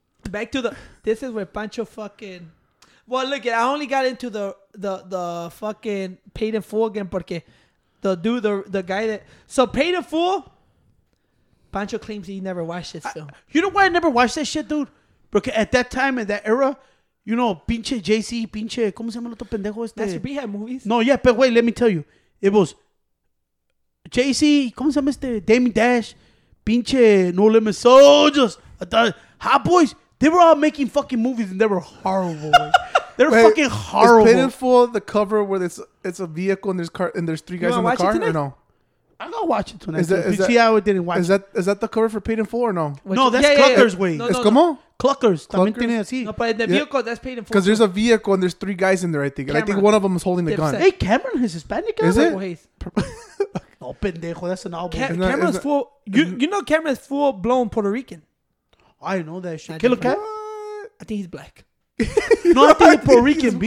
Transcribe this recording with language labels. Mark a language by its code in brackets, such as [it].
[en] Back to this is where Pancho fucking. Well, look, I only got into the fucking Paid in Full again porque the dude, the guy that. So Paid in Full, Pancho claims he never watched this film. You know why I never watched that shit, dude? Because at that time, in that era, you know, [es] pinche JC, pinche, ¿cómo se llama el otro pendejo este? [en] That's your B-head movies. No, yeah, but wait, let me tell you. It was JC, [es] ¿cómo se llama este? [en] Damien Dash. Pinche No Limit Soldiers. Hot Boys. They were all making fucking movies and they were horrible. They're fucking horrible. Is Paid in Full the cover where it's a vehicle and there's three guys in the car? Or no? I'm going to watch it tonight. Is that the cover for Paid in Full or no? No, that's Cluckers, wait. It's como? Cluckers. [es] También tiene así. [en] No, but the vehicle, that's Paid in Full. Because there's a vehicle and there's three guys in there, I think. And I think one of them is holding the gun. Hey, Cameron is Hispanic. Is it? Oh, pendejo, that's an album. Cameron's full. You know Cameron's full blown Puerto Rican. I know that shit. Killer Cam? I think he's black. No, I think he's Puerto Rican.